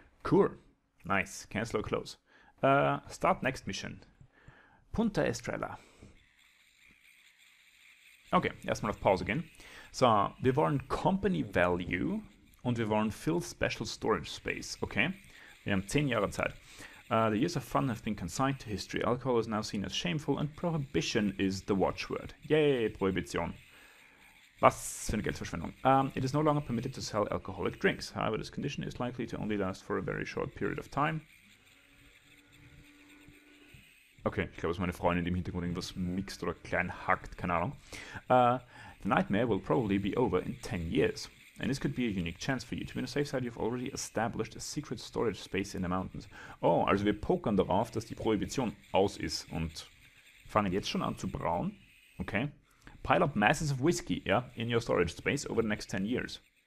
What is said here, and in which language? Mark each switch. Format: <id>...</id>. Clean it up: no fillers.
<en>Cool. Nice. Cancel or close. Start next mission. Punta Estrella.</en> <de>Okay, erstmal auf Pause gehen. So, wir wollen Company Value und wir wollen Fill Special Storage Space. Okay, wir haben 10 Jahre Zeit.</de> <en>The years of fun have been consigned to history. Alcohol is now seen as shameful and prohibition is the watchword. Yay, Prohibition.</en> <de>Was für eine Geldverschwendung.</de> <en>It is no longer permitted to sell alcoholic drinks. However, this condition is likely to only last for a very short period of time.</en> <de>Okay, ich glaube, dass meine Freundin im Hintergrund irgendwas mixt oder klein hackt, keine Ahnung.</de> <en>The nightmare will probably be over in 10 years. And this could be a unique chance for you to be on a safe side. You've already established a secret storage space in the mountains.</en> <de>Oh, also wir pokern darauf, dass die Prohibition aus ist und fangen jetzt schon an zu brauen. Okay.</de> <en>Pile up masses of whiskey, yeah, in your storage space over the next 10 years.</en>